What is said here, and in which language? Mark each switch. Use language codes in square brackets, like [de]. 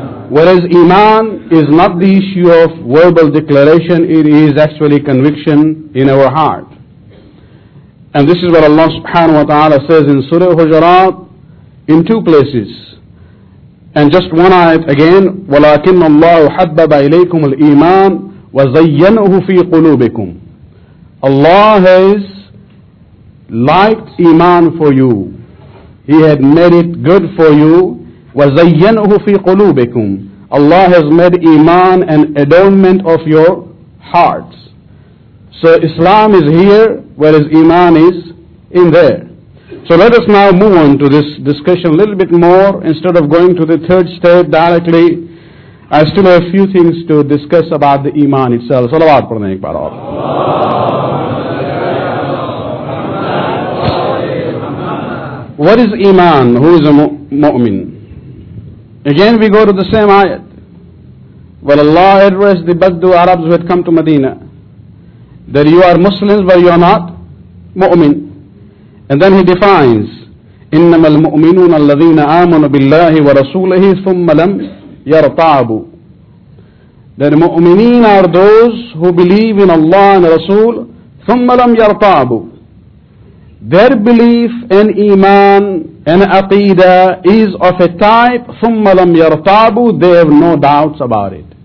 [en] Whereas Iman is not the issue of verbal declaration, it is actually conviction in our heart. And this is what Allah subhanahu wa ta'ala says in Surah Hujarat in two places. And just one ayat again, [ar] وَلَكِنَّ اللَّهُ حَبَّبَ إِلَيْكُمُ الْإِيمَانِ وَزَيَّنُهُ فِي قُلُوبِكُمْ. [en] Allah has liked Iman for you. He had made it good for you. [ar] وَزَيَّنُهُ فِي قُلُوبِكُمْ. [en] Allah has made Iman an adornment of your hearts. So Islam is here, whereas Iman is in there. So let us now move on to this discussion a little bit more. Instead of going to the third step directly, I still have a few things to discuss about the Iman itself. Salawat Pradhan Ek Barat. What is Iman? Who is a mu'min? Again, we go to the same ayat. Well, Allah addressed the Baddu Arabs who had come to Medina, that you are Muslims, but you are not mu'min. And then he defines, [ar] إِنَّمَا الْمُؤْمِنُونَ الَّذِينَ آمَنُوا بِاللَّهِ وَرَسُولِهِ ثُمَّ لَمْ يَرْتَعَبُوا. [en] That mu'mineen are those who believe in Allah and Rasul, [ar] ثُمَّ لَمْ يَرْتَعَبُوا. [en] Their belief in Iman and Aqeedah is of a type, [ar] ثُمَّ لَمْ يَرْتَعَبُوا, [en] they have no doubts about it.